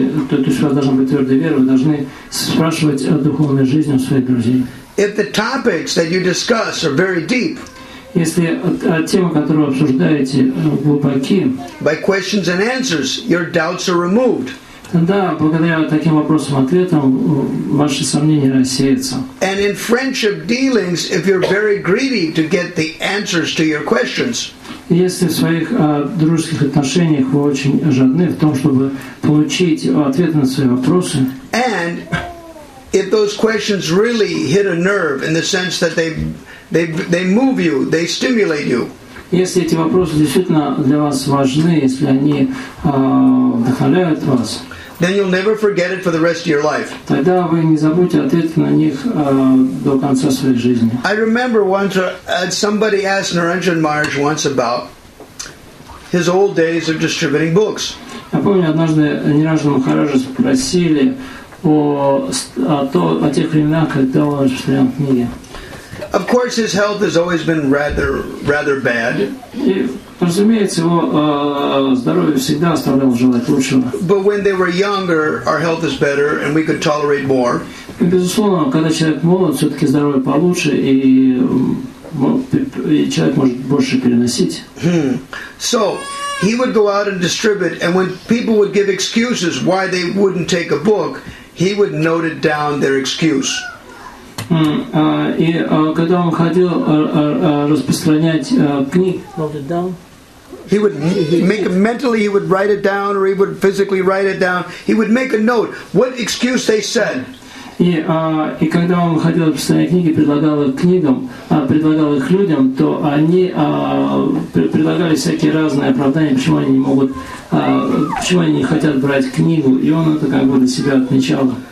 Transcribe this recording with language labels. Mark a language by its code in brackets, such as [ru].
[ru] То есть у вас должна быть твердая вера. Вы должны спрашивать о духовной жизни у своих друзей. [en] If the topics that you discuss are very deep, [ru] если темы, которые вы обсуждаете, глубоки, [en] by questions and answers, your doubts are removed. [ru] Тогда, благодаря таким вопросам-ответам, ваши сомнения рассеются. [en] And in friendship dealings, if you're very greedy to get the answers to your questions, [ru] если в своих дружеских отношениях вы очень жадны в том, чтобы получить ответы на свои вопросы, [en] and if those questions really hit a nerve in the sense that they move you, they stimulate you, [ru] если эти вопросы действительно для вас важны, если они вдохновляют вас, [en] then you'll never forget it for the rest of your life. [ru] Тогда вы не забудете ответ на них до конца своей жизни. [en] I remember once somebody asked Naranjan Maharaj once about his old days of distributing books. [ru] Я помню, однажды Ниранджан Махараджа спросили о тех временах, когда он распространял книги. [en] Of course, his health has always been rather bad. [ru] Разумеется, его здоровье всегда оставляло желать лучшего. [en] But when they were younger, our health is better, and we could tolerate more. [ru] И, безусловно, когда человек молод, все-таки здоровье получше, и человек может больше переносить. [en] So he would go out and distribute, and when people would give excuses why they wouldn't take a book, he would note it down, their excuse. [ru] И когда он ходил распространять книги, [en] he would make mentally, he would write it down, or he would physically write it down. He would make a note. What excuse they said? [ru] И когда он выходил из своей книги, предлагал их книгам, предлагал их людям, то они предлагали всякие разные оправдания, почему они не могут, почему они не хотят брать книгу, и он это как бы для себя отмечал.